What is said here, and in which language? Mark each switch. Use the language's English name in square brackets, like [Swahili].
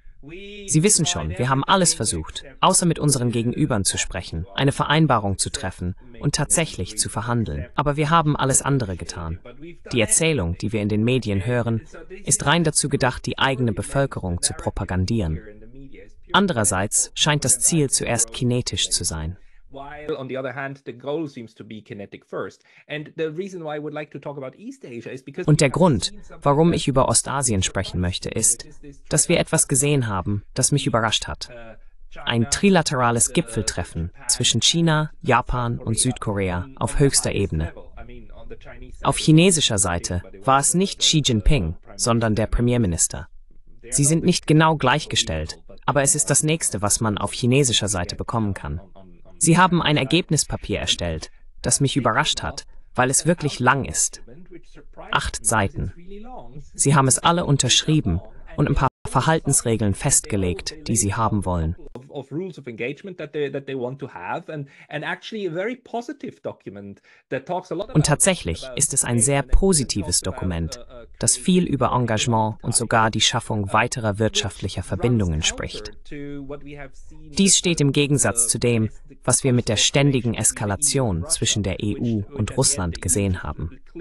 [German] Sie wissen schon, wir haben alles versucht, außer mit unseren Gegenübern zu sprechen, eine Vereinbarung zu treffen und tatsächlich zu verhandeln. Aber wir haben alles andere getan. Die Erzählung, die wir in den Medien hören, ist rein dazu gedacht, die eigene Bevölkerung zu propagandieren. Andererseits scheint das Ziel zuerst kinetisch zu sein. [English] While on the other hand, the goal seems to be kinetic first. And the reason why I would like to talk about East Asia is because. [German] Und der Grund, warum ich über Ostasien sprechen möchte, ist, dass wir etwas gesehen haben, das mich überrascht hat. Ein trilaterales Gipfeltreffen zwischen China, Japan und Südkorea auf höchster Ebene. Auf chinesischer Seite war es nicht Xi Jinping, sondern der Premierminister. Sie sind nicht genau gleichgestellt, aber es ist das Nächste, was man auf chinesischer Seite bekommen kann. Sie haben ein Ergebnispapier erstellt, das mich überrascht hat, weil es wirklich lang ist. 8 Seiten. Sie haben es alle unterschrieben und ein paar Verhaltensregeln festgelegt, die sie haben wollen. [English] Of rules of engagement that they want to have and actually a very positive document that talks a lot. [German] Und tatsächlich ist es ein sehr positives Dokument, das viel über Engagement und sogar die Schaffung weiterer wirtschaftlicher Verbindungen spricht. Dies steht im Gegensatz zu dem, was wir mit der ständigen Eskalation zwischen der EU und Russland gesehen haben.